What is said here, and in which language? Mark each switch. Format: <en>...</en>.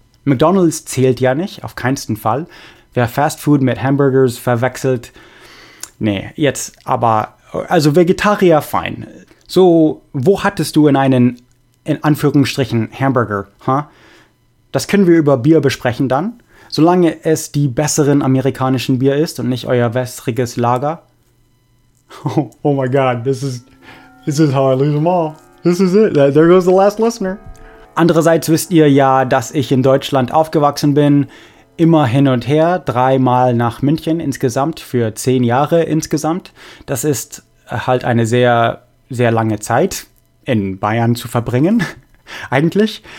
<de>McDonald's zählt ja nicht, auf keinsten Fall. Wer Fast Food mit Hamburgers verwechselt, nee, jetzt aber, also Vegetarier, fein. So, wo hattest du in einen, in Anführungsstrichen, Hamburger, ha? Huh? Das können wir über Bier besprechen dann. Solange es die besseren amerikanischen Bier ist und nicht euer wässriges Lager.</de> <en>Oh, oh my god, this is how I lose them all. This is it, there goes the last listener.</en> <de>Andererseits wisst ihr ja, dass ich in Deutschland aufgewachsen bin. Immer hin und her, dreimal nach München insgesamt, für 10 Jahre insgesamt. Das ist halt eine sehr, sehr lange Zeit in Bayern zu verbringen. Eigentlich.</de>